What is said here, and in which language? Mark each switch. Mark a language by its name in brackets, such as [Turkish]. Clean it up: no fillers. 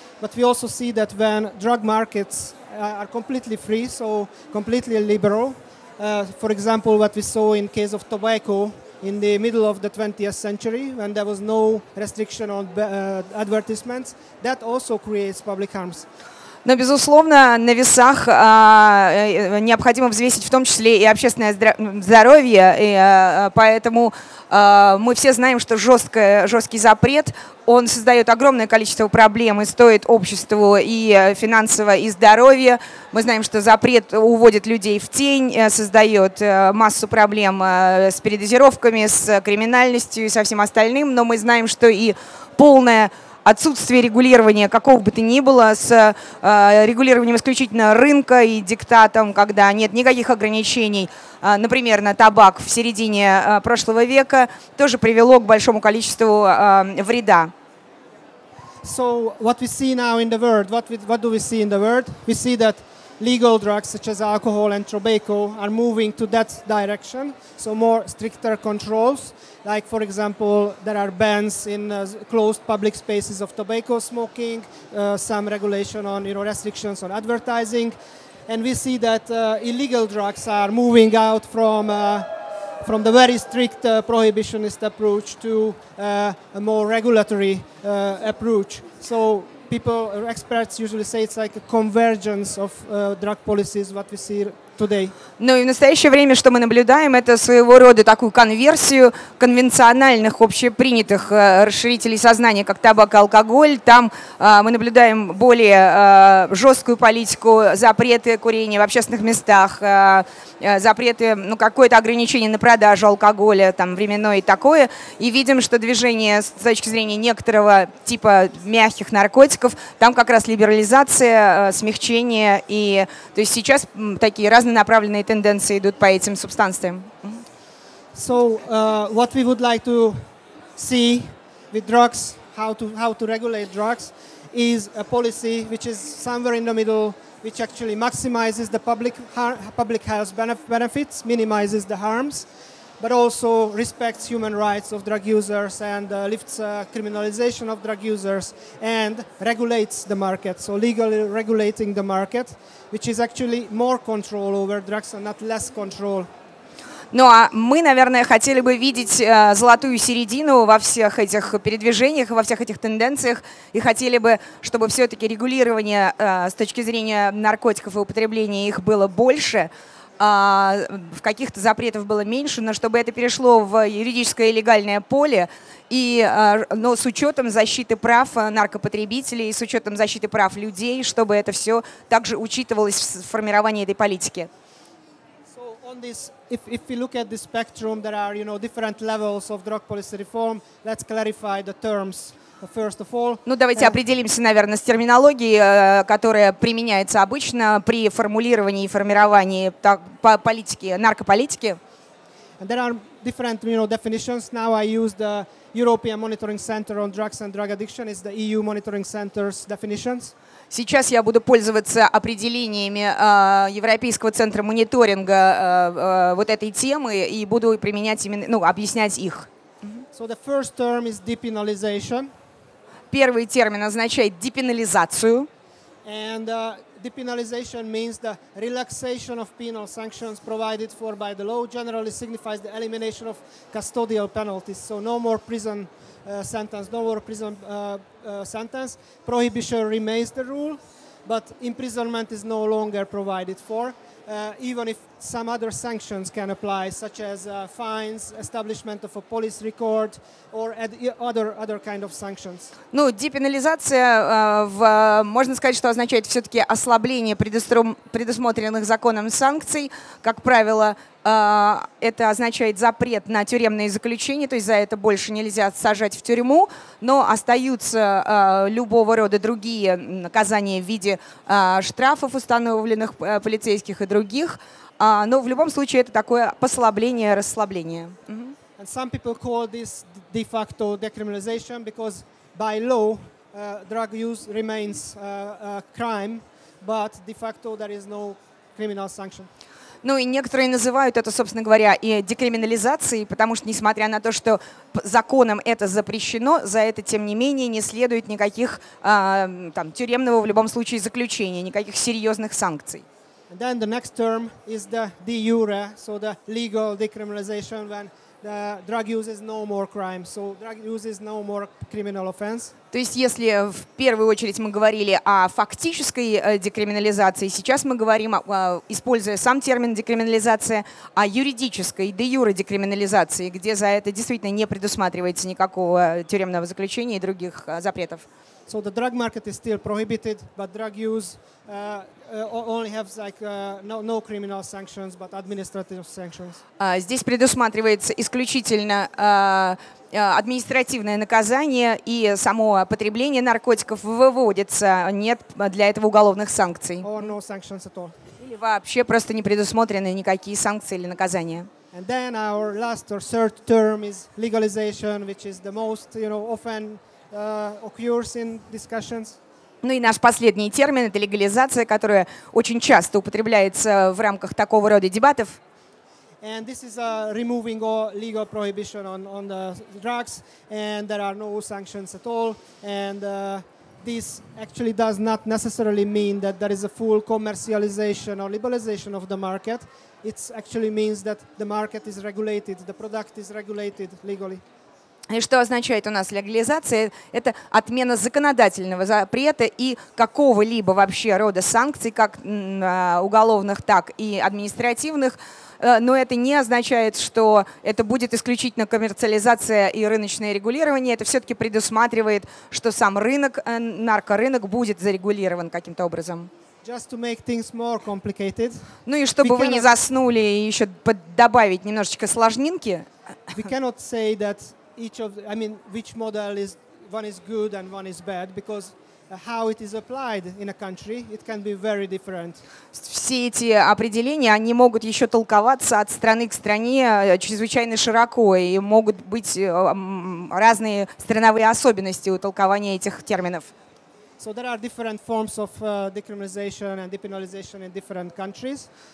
[English] But we also see that when drug markets are completely free, so completely liberal, for example, what we saw in case of tobacco in the middle of the 20th century, when there was no restriction on advertisements, that also creates public harms. [Russian] Но, безусловно, на весах необходимо взвесить в том числе и общественное здоровье, и, поэтому мы все знаем, что жесткий запрет, он создает огромное количество проблем и стоит обществу и финансово, и здоровье. Мы знаем, что запрет уводит людей в тень, создает массу проблем с передозировками, с криминальностью и со всем остальным, но мы знаем, что и полное отсутствие регулирования какого бы то ни было с регулированием исключительно рынка и диктатом, когда нет никаких ограничений, например, на табак в середине прошлого века, тоже привело к большому количеству вреда. [English] So what we see now in the world, what do we see in the world? We see that legal drugs such as alcohol and tobacco are moving to that direction, so more stricter controls. Like, for example, there are bans in closed public spaces of tobacco smoking, some regulation on, you know, restrictions on advertising. And we see that illegal drugs are moving out from the very strict prohibitionist approach to a more regulatory approach. So people, experts usually say it's like a convergence of drug policies, what we see today. [Russian] Ну и в настоящее время, что мы наблюдаем, это своего рода такую конверсию конвенциональных, общепринятых расширителей сознания, как табак и алкоголь. Там мы наблюдаем более жесткую политику, запреты курения в общественных местах, запреты, ну, какое-то ограничение на продажу алкоголя, там, временное и такое. И видим, что движение с точки зрения некоторого типа мягких наркотиков, там как раз либерализация, смягчение. И то есть сейчас такие разнонаправленные тенденции идут по этим субстанциям. [English] So, what we would like to see with drugs, how to regulate drugs, is a policy which is somewhere in the middle, which actually maximizes the public health benefits, minimizes the harms, but also respects human rights of drug users and lifts criminalization of drug users and regulates the market, so legally regulating the market, which is actually more control over drugs and not less control. [Russian] Ну а мы, наверное, хотели бы видеть золотую середину во всех этих передвижениях, во всех этих тенденциях, и хотели бы, чтобы все-таки регулирование с точки зрения наркотиков и употребления их было больше, в каких-то запретов было меньше, но чтобы это перешло в юридическое и легальное поле, и, но с учетом защиты прав наркопотребителей, с учетом защиты прав людей, чтобы это все также учитывалось в формировании этой политики. [English] On this, if we look at the spectrum, there are, you know, different levels of drug policy reform. Let's clarify the terms first of all. [Russian] Ну давайте определимся, наверное, с терминологией, которая применяется обычно при формулировании и формировании так, по политике, наркополитики. [English] And there are different, you know, definitions. Now I use the European Monitoring Center on Drugs and Drug Addiction. It's the EU Monitoring Center's definitions. [Russian] Сейчас я буду пользоваться определениями Европейского центра мониторинга вот этой темы и буду применять именно, ну, объяснять их. [English] So the first term is depenalization. [Russian] Первый термин означает депенализацию. [English] And depenalization means the relaxation of penal sanctions provided for by the law. Generally signifies the elimination of custodial penalties. So no more prison. Sentence, no more prison sentence. Prohibition remains the rule, but imprisonment is no longer provided for, even if some other sanctions can apply, such as fines, establishment of a police record, or other kind of sanctions. [Russian] Ну, депенализация, можно сказать, что означает все-таки ослабление предусмотренных законом санкций. Как правило, это означает запрет на тюремные заключения, то есть за это больше нельзя сажать в тюрьму, но остаются любого рода другие наказания в виде штрафов, установленных полицейских и других. Но в любом случае это такое послабление, расслабление. Uh-huh. [English] And some people call this de facto decriminalization, because by law drug use remains a crime, but de facto there is no criminal sanction. [Russian] Ну и некоторые называют это, собственно говоря, и декриминализацией, потому что, несмотря на то, что законом это запрещено, за это, тем не менее, не следует никаких там, тюремного в любом случае заключения, никаких серьезных санкций. [English] And then the next term is the de jure, so the legal decriminalization, when the drug use is no more crime, so drug use is no more criminal offense. [Russian] То есть если в первую очередь мы говорили о фактической декриминализации, сейчас мы говорим, используя сам термин декриминализация, о юридической, де юре декриминализации, где за это действительно не предусматривается никакого тюремного заключения и других запретов. [English] So the drug market is still prohibited, but drug use only has like no criminal sanctions, but administrative sanctions. [Russian] Здесь предусматривается исключительно административное наказание, и само потребление наркотиков выводится. Нет для этого уголовных санкций. [English] Or no sanctions at all. [Russian] Или вообще просто не предусмотрены никакие санкции или наказания. [English] And then our last or third term is legalization, which is the most, you know, often occurs in discussions. [Russian] Ну и наш последний термин — это легализация, которая очень часто употребляется в рамках такого рода дебатов. [English] And this is removing all legal prohibition on the drugs, and there are no sanctions at all. And this actually does not necessarily mean that there is a full commercialization or liberalization of the market. It actually means that the market is regulated, the product is regulated legally. [Russian] И что означает у нас легализация? Это отмена законодательного запрета и какого-либо вообще рода санкций, как уголовных, так и административных. Но это не означает, что это будет исключительно коммерциализация и рыночное регулирование. Это все-таки предусматривает, что сам рынок, наркорынок, будет зарегулирован каким-то образом. [English] Just to make things more complicated. [Russian] Ну и чтобы вы не заснули, еще добавить немножечко сложнинки. [English] We cannot say that each of, I mean, which model is, one is good and one is bad, because how it is applied in a country, it can be very different. [Russian] Все эти определения, они могут еще толковаться от страны к стране чрезвычайно широко, и могут быть разные страновые особенности у толкования этих терминов. [English] So there are different forms of decriminalization and depenalization in different countries.